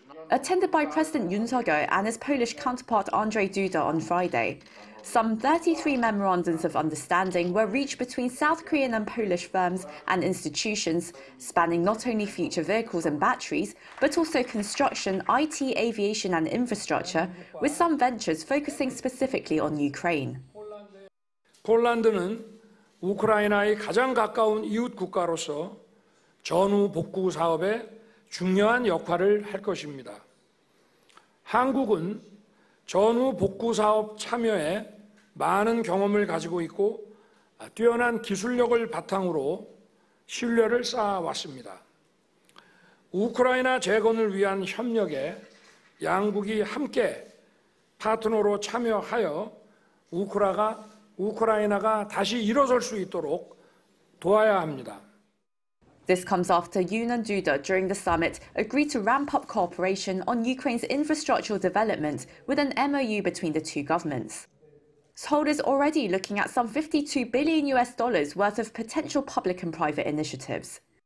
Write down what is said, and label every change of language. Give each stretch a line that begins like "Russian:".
English: Attended by President Yoon Suk Yeol and his Polish counterpart Andrzej Duda on Friday, some 33 memorandums of understanding were reached between South Korean and Polish firms and institutions, spanning not only future vehicles and batteries, but also construction, IT, aviation and infrastructure, with some ventures focusing specifically on Ukraine. Poland is the closest neighbor of Ukraine, so it will play an important role in the rebuilding process.
Korean: Korea 전후 복구 사업 참여에 많은 경험을 가지고 있고 뛰어난 기술력을 바탕으로 신뢰를 쌓아왔습니다. 우크라이나 재건을 위한 협력에 양국이 함께 파트너로 참여하여 우크라이나가 다시 일어설 수 있도록 도와야 합니다.
English: This comes after Yoon and Duda, during the summit, agreed to ramp up cooperation on Ukraine's infrastructural development with an MOU between the two governments. Seoul is already looking at some $52 billion worth of potential public and private initiatives.